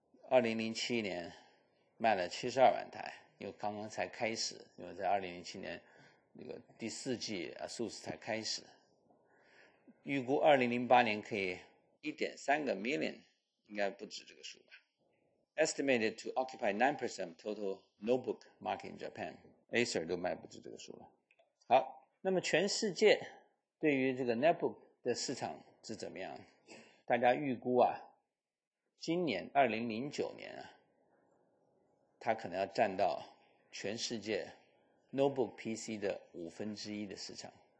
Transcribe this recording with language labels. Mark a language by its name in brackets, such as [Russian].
[Chinese] 2007年卖了72万台，因为刚刚才开始，因为在2007年那个第四季 ASUS 才开始，预估2008年可以 1.3 个 million， 应该不止这个数吧。 [English] Estimated to occupy 9% total notebook market in Japan， Acer [Chinese] 都卖不出这个数了。好，那么全世界对于这个 netbook 的市场是怎么样？大家预估啊，今年2009年啊，它可能要占到全世界 notebook PC 的1/5的市场。